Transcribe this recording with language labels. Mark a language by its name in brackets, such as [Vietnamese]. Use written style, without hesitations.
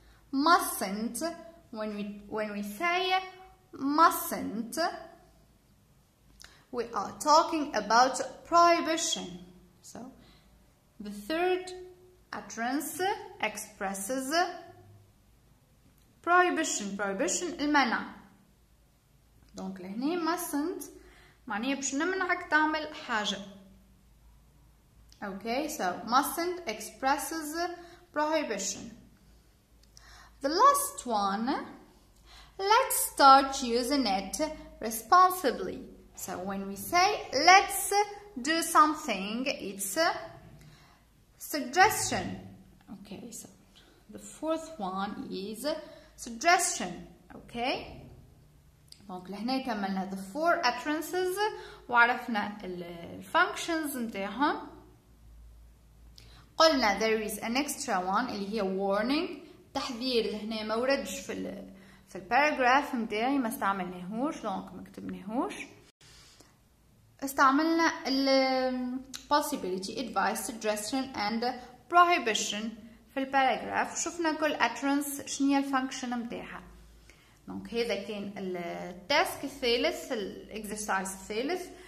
[English] Mustn't, when we say mustn't, we are talking about prohibition. So the third utterance expresses prohibition المنع. [Arabic] دونك لهنا mustn't معني باش نمنعك تعمل حاجة. [English] Okay, so mustn't expresses prohibition. The last one, let's start using it responsibly. So when we say let's do something, it's a suggestion. Okay, so the fourth one is suggestion. [Arabic] Okay, دونك لهنا كملنا [English] the four utterances [Arabic] وعرفنا الفانكشنز نتاعهم. قلنا [English] there is an extra one [Arabic] اللي هي [English] warning تحذير. [Arabic] لهنا ما وردش في الباراجراف نتاعي ما استعملناهوش دونك ما كتبناهوش. استعملنا [English] possibility, advice, suggestion and prohibition [Arabic] في الباراجراف. شفنا كل utterance شنو هي الفانكشن نتاعها. دونك هذا كان التاسك الثالث الاكزرسايز الثالث.